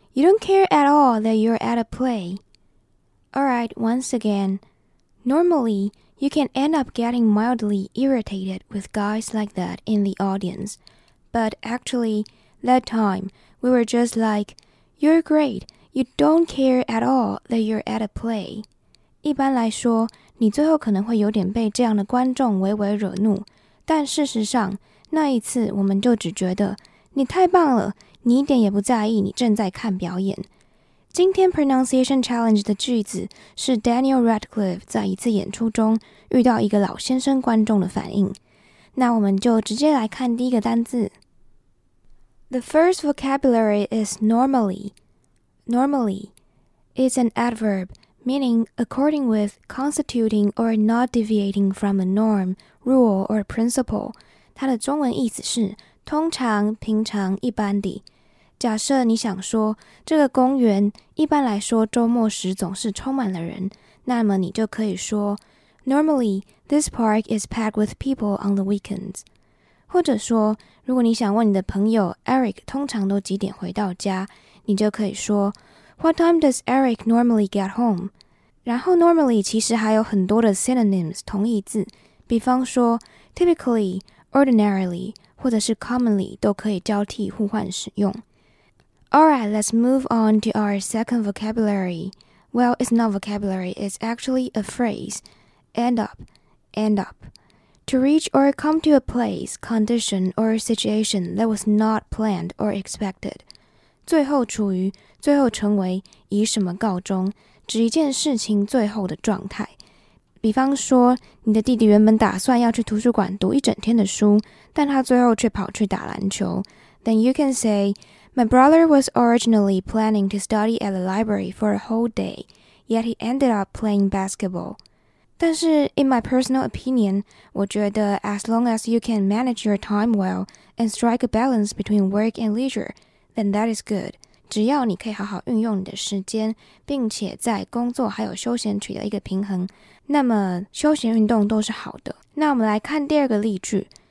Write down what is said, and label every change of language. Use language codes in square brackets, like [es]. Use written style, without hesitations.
[en] You don't care at all that you're at a play." Alright, once again. Normally, you can end up getting mildly irritated with guys like that in the audience. But actually, that time, we were just like, "You're great. You don't care at all that you're at a play." [zh] 一般来说，你最后可能会有点被这样的观众微微惹怒。但事实上，那一次我们就只觉得，你太棒了，你一点也不在意你正在看表演。今天 pronunciation challenge 的句子是 Daniel Radcliffe 在一次演出中遇到一个老先生观众的反应。那我们就直接来看第一个单字。 [en] The first vocabulary is normally. Normally is an adverb meaning according with, constituting or not deviating from a norm, rule or principle. [zh] 它的中文意思是通常、平常、一般的。假设你想说这个公园一般来说周末时总是充满了人，那么你就可以说 [en] Normally, this park is packed with people on the weekends. [zh] 或者说，如果你想问你的朋友 Eric 通常都几点回到家，你就可以说 [en] What time does Eric normally get home? [zh] 然后 normally 其实还有很多的 synonyms 同义字，比方说 typically, ordinarily, 或者是 commonly 都可以交替互换使用。 [en] Alright, let's move on to our second vocabulary. Well, it's not vocabulary, it's actually a phrase. End up. To reach or come to a place, condition, or situation that was not planned or expected. [zh] 最后处于,最后成为,以什么告终,指一件事情最后的状态。比方说,你的弟弟原本打算要去图书馆读一整天的书,但他最后却跑去打篮球。 [en] Then you can say,My brother was originally planning to study at the library for a whole day, yet he ended up playing basketball. [zh] 但是 [en] in my personal opinion, [zh] 我觉得 [en] as long as you can manage your time well and strike a balance between work and leisure, then that is good. [zh] 只要你可以好好运用你的时间，并且在工作还有休闲取得一个平衡，那么休闲运动都是好的。那我们来看第二个例句。